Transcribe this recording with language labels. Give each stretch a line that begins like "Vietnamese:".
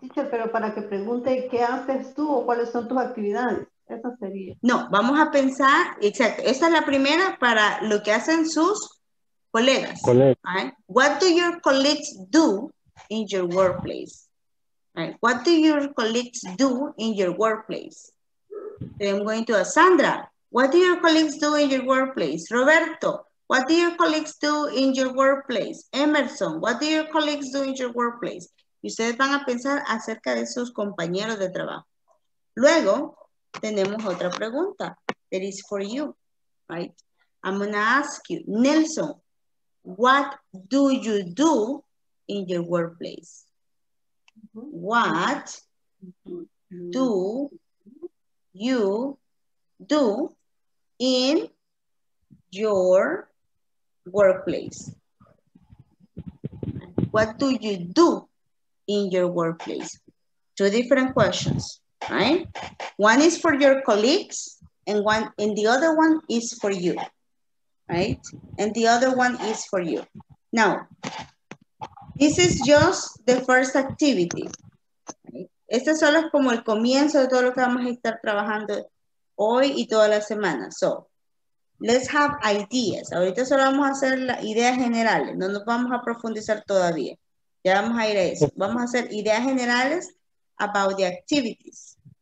Spanish: Pero para que pregunte qué haces tú o cuáles son tus actividades, esa sería. No, vamos a pensar, exacto, esta es la primera para lo que hacen sus colegas.
English: Right? What do your colleagues do in your workplace? Right? What do your colleagues do in your workplace? Then I'm going to ask Sandra, what do your colleagues do in your workplace? Roberto, what do your colleagues do in your workplace? Emerson, what do your colleagues do in your workplace?
Spanish: Y ustedes van a pensar acerca de sus compañeros de trabajo. Luego, tenemos otra pregunta.
English: That is for you, right? I'm going to ask you, Nelson, what do you do in your workplace? What do you do in your workplace? What do you do in your workplace? Two different questions, right? One is for your colleagues and one, and the other one is for you, right? And the other one is for you. Now, this is just the first activity, right?
Spanish: Este solo es como el comienzo de todo lo que vamos a estar trabajando hoy y toda la semana.
English: So, let's have ideas.
Spanish: Ahorita solo vamos a hacer las ideas generales. No nos vamos a profundizar todavía. Ya vamos a ir a eso. Vamos a hacer ideas generales
English: about the activities.